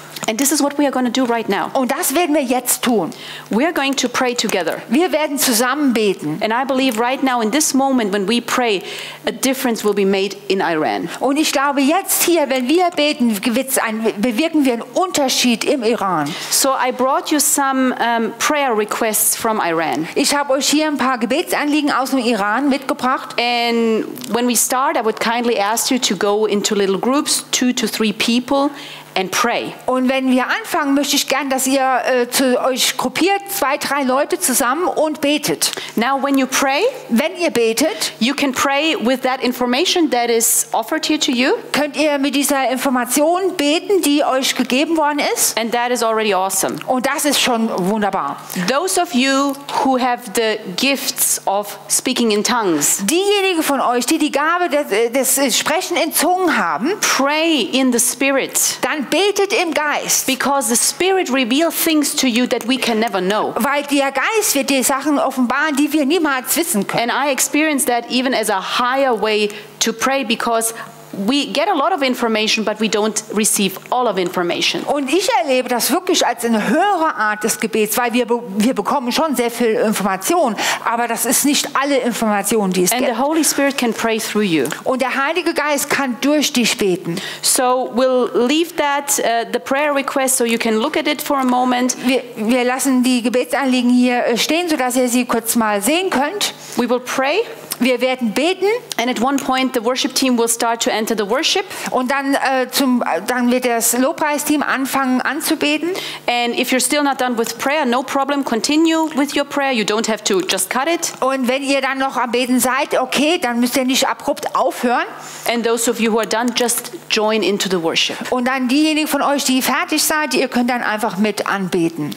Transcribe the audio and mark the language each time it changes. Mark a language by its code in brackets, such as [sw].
[en] And this is what we are going to do right now. [de] Und das werden wir jetzt tun. [en] We are going to pray together. [de] Wir werden zusammen beten. [en] And I believe right now in this moment when we pray, a difference will be made in Iran. [de] Und ich glaube jetzt hier, wenn wir beten, bewirken wir einen Unterschied im Iran. [en] So I brought you some prayer requests from Iran. [de] Ich habe euch hier ein paar Gebetsanliegen aus dem Iran mitgebracht. [en] And when we start, I would kindly ask you to go into little groups, 2 to 3 people. And pray. [de] Und wenn wir anfangen, möchte ich gern, dass ihr zu euch gruppiert, 2, 3 Leute zusammen und betet. [en] Now, when you pray, [de] wenn ihr betet, [en] you can pray with that information that is offered here to you. [de] Könnt ihr mit dieser Information beten, die euch gegeben worden ist? [en] And that is already awesome. [de] Und das ist schon wunderbar. [en] Those of you who have the gifts of speaking in tongues, [de] diejenigen von euch, die die Gabe des Sprechen in Zungen haben, [en] pray in the Spirit. [de] Dann betet im Geist. [en] Because the Spirit reveals things to you that we can never know. [de] Weil der Geist wird dir Sachen offenbaren, die wir niemals wissen können. [en] And I experienced that even as a higher way to pray, because We get a lot of information, but we don't receive all of information. [de] Und ich erlebe das wirklich als eine höhere Art des Gebets, weil wir bekommen schon sehr viel Information, aber das ist nicht alle Informationen, die es [en] and [de] gibt. [en] The Holy Spirit can pray through you. [de] Und der Heilige Geist kann durch dich beten. [en] So we'll leave that the prayer request, so you can look at it for a moment. [de] Wir lassen die Gebetsanliegen hier stehen, so dass ihr sie kurz mal sehen könnt. [en] We will pray. [de] Wir werden beten. [en] And at one point the worship team will start to enter the worship. [de] Und dann dann wird das Lobpreisteam anfangen anzubeten. [en] And if you're still not done with prayer, no problem, continue with your prayer. You don't have to just cut it. [de] Und wenn ihr dann noch am Beten seid, okay, dann müsst ihr nicht abrupt aufhören. [en] And those of you who are done, just join into the worship. [de] Und dann diejenigen von euch, die fertig seid, ihr könnt dann einfach mit anbeten.